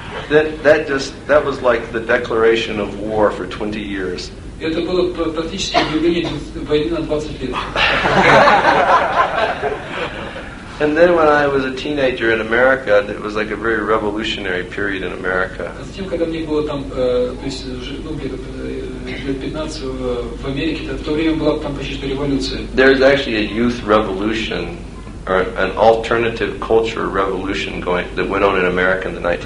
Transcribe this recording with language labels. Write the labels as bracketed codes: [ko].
[en] That was like the declaration of war for 20 years. [ru] Это было практически объявление войны на 20 лет. [en] And then when I was a teenager in America, it was like a very revolutionary period in America. There's actually a youth revolution, or an alternative culture revolution going that went on in America in the